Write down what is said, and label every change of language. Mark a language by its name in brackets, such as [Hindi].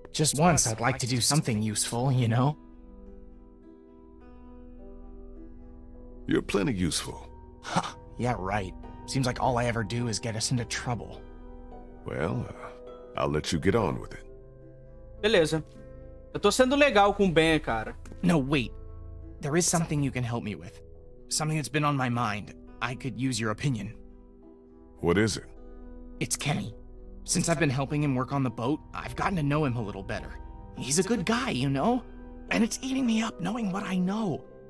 [English] Just once, I'd like to do something useful, you know? You're plenty useful. Huh, yeah, right. Seems like all I ever do is get us into trouble. Well, I'll let you get on with it. [Portuguese] Beleza. Eu tô sendo legal com o Ben, cara. [English] No, wait. There is something you can help me with. Something that's been on my mind. I could use your opinion. What is it? It's Kenny. Since I've been helping him work on the boat, I've gotten to know him a little better. He's a good guy, you know? And it's eating me up knowing what I know.